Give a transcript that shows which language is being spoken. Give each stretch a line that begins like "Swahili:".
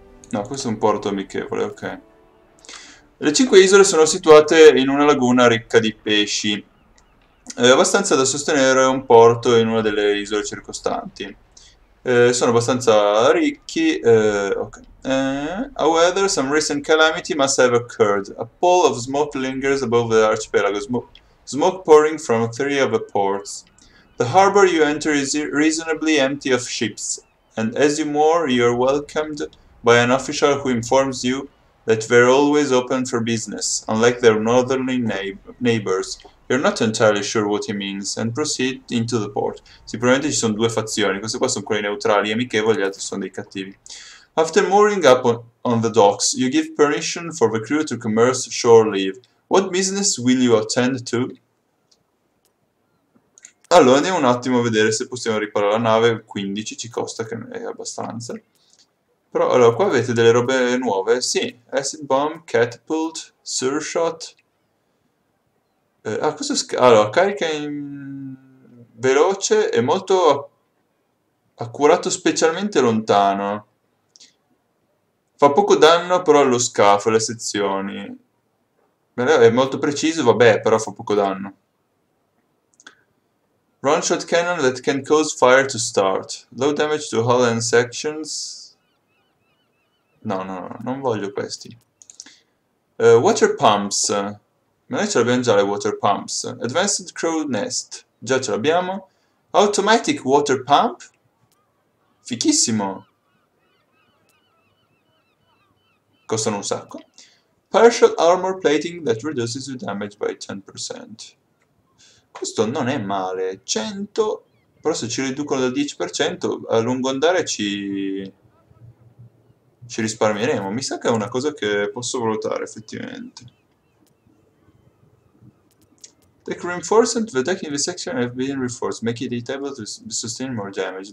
Italian: No, questo è un porto amichevole, ok. Le cinque isole sono situate in una laguna ricca di pesci. Abbastanza da sostenere un porto in una delle isole circostanti. Sono abbastanza ricchi. Ok.
English: However, some recent calamity must have occurred. A pall of smoke lingers above the archipelago. Smoke pouring from three of the ports. The harbor you enter is reasonably empty of ships. And as you moor, you are welcomed by an official who informs you that they're always open for business, unlike their northerly neighbors. You're not entirely sure what he means, and proceed into the port.
Italian: Sicuramente ci sono due fazioni, queste qua sono quelle neutrali, amichevoli, gli altri sono dei cattivi.
English: After mooring up on the docks, you give permission for the crew to commence shore leave. What business will you attend to?
Italian: Allora, andiamo un attimo a vedere se possiamo riparare la nave, 15 ci costa, che è abbastanza. Però, allora, qua avete delle robe nuove? Sì, acid bomb, catapult, surshot. Ah, questo. Allora, carica veloce e molto accurato, specialmente lontano. Fa poco danno, però, allo scafo, alle sezioni. è molto preciso, vabbè, però fa poco danno.
English: Runshot cannon that can cause fire to start. Low damage to hull and sections.
Italian: No, no, no, non voglio questi. Water pumps. Ma noi ce l'abbiamo già le water pumps.
English: Advanced crow nest.
Italian: Già ce l'abbiamo.
English: Automatic water pump.
Italian: Fichissimo. Costano un sacco.
English: Partial armor plating that reduces the damage by 10%.
Italian: Questo non è male. 100. Però se ci riducono del 10%, a lungo andare ci risparmieremo. Mi sa che è una cosa che posso valutare, effettivamente.
English: Take reinforcement. The deck in this section have been reinforced. Make it able to sustain more damage.